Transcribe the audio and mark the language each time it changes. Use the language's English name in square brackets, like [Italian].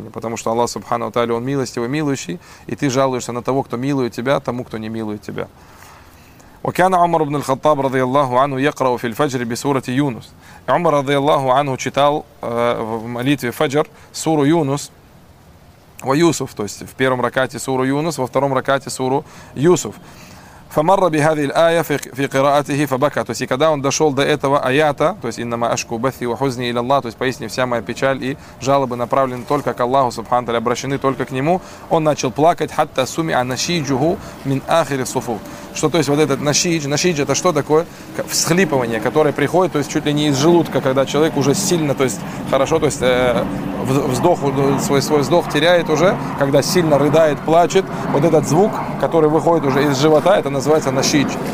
[Russian] Потому что Аллах Субхану ва Тааля, Он милостивый, милующий, и ты жалуешься на того, кто милует тебя, тому, кто не милует тебя. [Arabic] وكان عمر بن الخطاب رضي الله عنه يقرأ في الفجر بسورة يونس. [Russian] عمر [Arabic] رضي الله عنه [Russian] читал в молитве Фаджр суру Юнус. Ва Юсуф, то есть в первом ракате суру Юнус, во втором ракате суру Юсуф. [Arabic] فمر بهذه الآية في قراءته فبكى. [Russian] То есть, и когда он дошел до этого аята, то есть [Arabic] иннама ашку бафи ва хузни иля Аллах, [Russian] то есть поистине вся моя печаль и жалобы направлены только к Аллаху субхану тааля, обращены только к нему, он начал плакать, [Arabic] хатта сумиа нашиджуху мин ахири суфу. [Russian] Что, то есть, вот этот нашидж это что такое? Всхлипывание, которое приходит, то есть чуть ли не из желудка, когда человек уже сильно, то есть хорошо, то есть вздох, свой вздох теряет уже, когда сильно рыдает, плачет, вот этот звук, который выходит уже из живота, это называется нашидж.